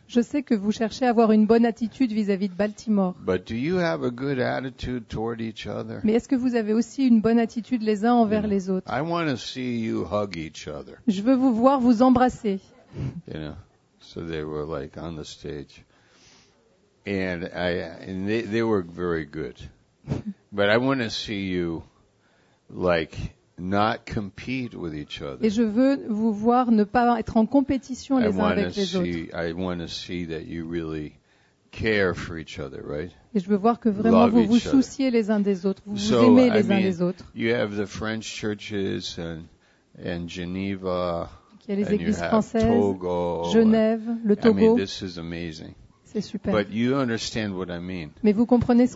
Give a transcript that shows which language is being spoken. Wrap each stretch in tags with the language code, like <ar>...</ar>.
<fr>Je sais que vous cherchez à avoir une bonne attitude vis-à-vis de Baltimore.</fr> <en>But do you have a good attitude toward each other?</en> <fr>Mais est-ce que vous avez aussi une bonne attitude les uns envers les autres?</fr> <en>I want to see you hug each other.</en> <fr>Je veux vous voir vous embrasser.</fr> <en>you know. So they were like on the stage, and they were very good. But I want to see you, like, not compete with each other.</en> <fr>Et je veux vous voir ne pas être en compétition les uns avec les autres.</fr> <en>I want to see that you really care for each other, right?</en> <fr>Et je veux voir que vraiment vous vous souciez les uns des autres, vous vous aimez les uns les autres.</fr> <en>You have the French churches and Geneva.</en> <fr>Il y a les églises françaises, Togo, Genève, le Togo.</fr> <en>I mean,</en> <fr>c'est super.</fr> <en>But you understand what I mean.</en> <fr>Mais vous comprenez ce</fr>